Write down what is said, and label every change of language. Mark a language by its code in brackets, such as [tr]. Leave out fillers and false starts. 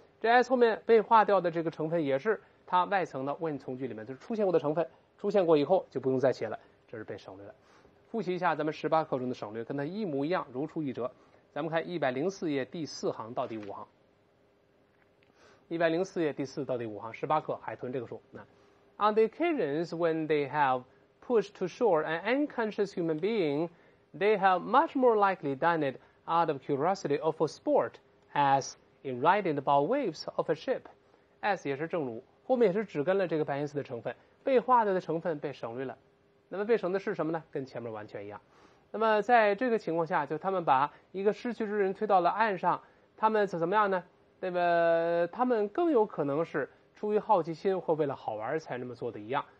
[zh] 这 as 后面被化掉的这个成分也是它外层的 when 从句里面就是出现过的成分，出现过以后就不用再写了，这是被省略了。复习一下咱们十八课中的省略，跟它一模一样，如出一辙。咱们看104页第四行到第五行，104页第四到第五行，十八课海豚这个书。 [en] On the occasions when they have pushed to shore an unconscious human beingThey have much more likely done it out of curiosity or for sport, as in riding the bow waves of a ship. [zh] As 也是正如，后面也是只跟了这个白颜色的成分，被化掉的成分被省略了。那么被省的是什么呢？跟前面完全一样。那么在这个情况下，就他们把一个失去之人推到了岸上，他们怎么样呢？那么他们更有可能是出于好奇心或为了好玩才那么做的一样。